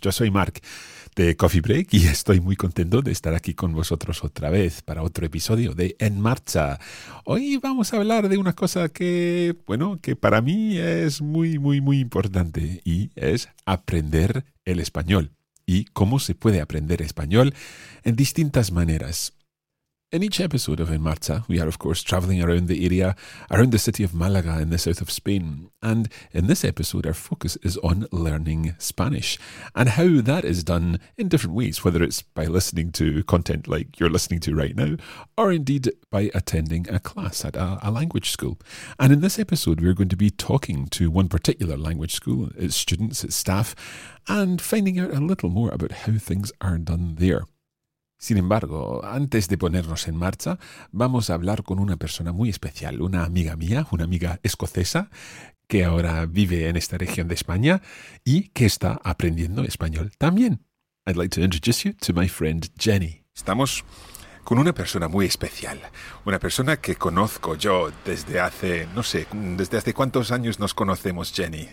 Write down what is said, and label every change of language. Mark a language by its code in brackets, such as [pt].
[es] Yo soy Mark de Coffee Break y estoy muy contento de estar aquí con vosotros otra vez para otro episodio de En Marcha. Hoy vamos a hablar de una cosa que, bueno, que para mí es muy, muy, muy importante y es aprender el español. Y cómo se puede aprender español en distintas maneras. [en] In each episode of En Marcha, we are of course traveling around the area, around the city of Málaga in the south of Spain. And in this episode, our focus is on learning Spanish and how that is done in different ways, whether it's by listening to content like you're listening to right now, or indeed by attending a class at a language school. And in this episode, we're going to be talking to one particular language school, its students, its staff, and finding out a little more about how things are done there. [es] Sin embargo, antes de ponernos en marcha, vamos a hablar con una persona muy especial, una amiga mía, una amiga escocesa, que ahora vive en esta región de España y que está aprendiendo español también. [en] I'd like to introduce you to my friend Jenny. [es] Estamos con una persona muy especial, una persona que conozco yo desde hace, no sé, ¿desde hace cuántos años nos conocemos, Jenny?